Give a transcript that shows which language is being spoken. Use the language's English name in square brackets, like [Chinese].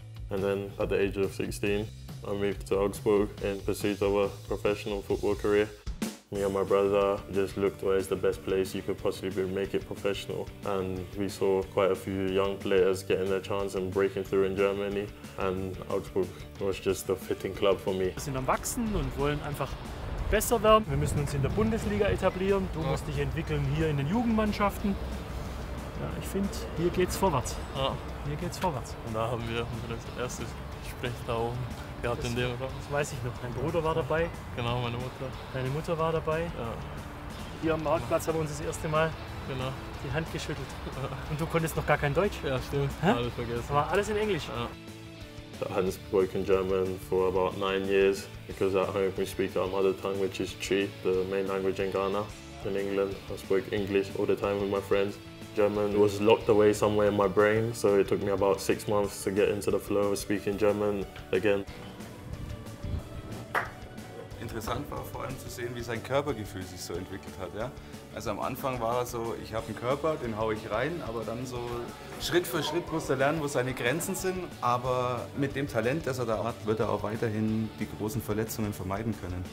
[English] And then at the age of 16, I moved to Augsburg in pursuit of a professional football career. Me and my brother just looked where is the best place you could possibly make it professional. And we saw quite a few young players getting their chance and breaking through in Germany. And Augsburg was just the fitting club for me. [German] Wir sind am Wachsen und wollen einfach besser werden. Wir müssen uns in der Bundesliga etablieren. Du musst dich entwickeln hier in den Jugendmannschaften. Ja, ich finde, hier geht's vorwärts. Ja. Hier geht's vorwärts. Und da haben wir das erste Gespräch da oben. Ja, das, das weiß ich noch. Mein Bruder war dabei. Genau, meine Mutter. Deine Mutter war dabei. Ja. Hier am Marktplatz haben wir uns das erste Mal die Hand geschüttelt. Ja. Und du konntest noch gar kein Deutsch. Ja, stimmt. Hä? Alles vergessen. War alles in Englisch. Ja. [English] I hadn't spoken German for about 9 years because at home we speak our mother tongue, which is Chi, the main language in Ghana. In England, I spoke English all the time with my friends. German was locked away somewhere in my brain, so it took me about 6 months to get into the flow of speaking German again. [German] Interessant war vor allem zu sehen, wie sein Körpergefühl sich so entwickelt hat. Ja? Also am Anfang war er so, ich habe einen Körper, den haue ich rein, aber dann so Schritt für Schritt muss er lernen, wo seine Grenzen sind. Aber mit dem Talent, das er da hat, wird er auch weiterhin die großen Verletzungen vermeiden können.